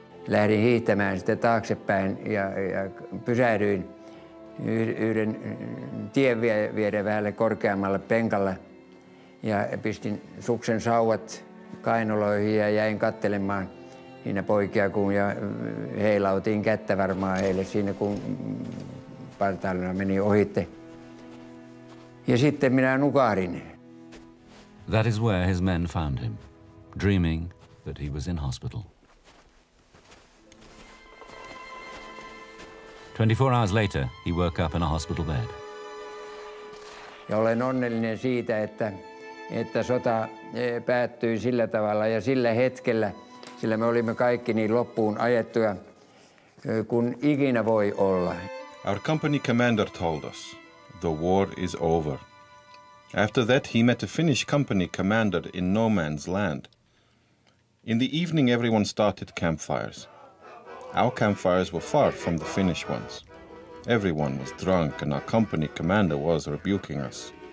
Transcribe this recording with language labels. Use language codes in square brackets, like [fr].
[fi] Lähdin hiihtämään sitten taaksepäin ja pysähdyin yhden tien viereen vähälle korkeammalle penkalle ja pistin suksen sauvat kainaloihin ja jäin katselemaan siinä poikia, kun ja heilautin kättä varmaan heille siinä, kun partaalina meni ohitte. Ja sitten minä nukahdin. [en] That is where his men found him, dreaming that he was in hospital. 24 hours later, he woke up in a hospital bed. [fi] Ja olen onnellinen siitä, että sota päättyi sillä tavalla ja sillä hetkellä, sillä me olimme kaikki niin loppuun ajettuja, kun ikinä voi olla. [en] Our company commander told us, the war is over. After that, he met a Finnish company commander in no man's land. In the evening, everyone started campfires. Our campfires were far from the Finnish ones. Everyone was drunk and our company commander was rebuking us.